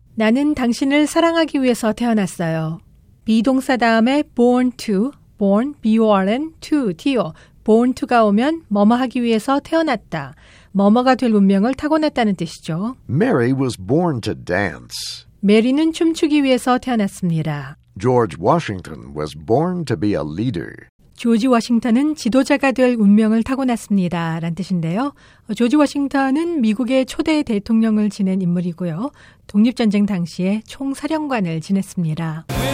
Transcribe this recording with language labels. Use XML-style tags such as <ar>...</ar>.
<ko>나는 당신을 사랑하기 위해서 태어났어요. 비동사 다음에 born to, born, B-O-R-N, to, T-O, born to가 오면 뭐뭐하기 위해서 태어났다. 뭐뭐가 될 운명을 타고났다는 뜻이죠.</ko> <en>Mary was born to dance.</en> <ko>메리는 춤추기 위해서 태어났습니다.</ko> <en>George Washington was born to be a leader.</en> <ko>조지 워싱턴은 지도자가 될 운명을 타고났습니다. 라는 뜻인데요. 조지 워싱턴은 미국의 초대 대통령을 지낸 인물이고요. 독립전쟁 당시에 총사령관을 지냈습니다.</ko>